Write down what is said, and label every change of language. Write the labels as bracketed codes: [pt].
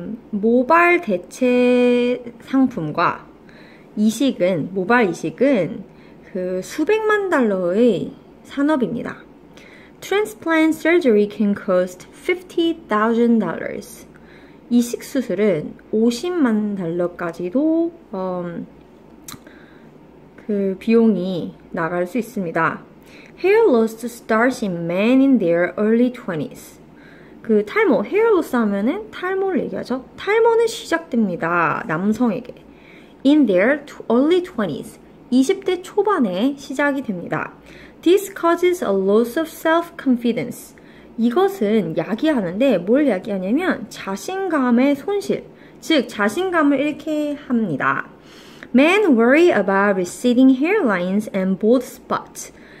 [ko] 모발 대체 상품과 모발 이식은 그 수백만 달러의 산업입니다. [en] Transplant surgery can cost $50,000. [ko] 이식 수술은 50만 달러까지도 그 비용이 나갈 수 있습니다. [en] Hair loss starts in men in their early 20s. [ko] 그 탈모, hair loss 하면은 탈모를 얘기하죠. 탈모는 시작됩니다. 남성에게. [en] In their early 20s, [ko] 20대 초반에 시작이 됩니다. [en] This causes a loss of self-confidence. [ko] 이것은 야기하는데 뭘 야기하냐면 자신감의 손실, 즉 자신감을 잃게 합니다. [en] Men worry about receding hairlines and bald spots.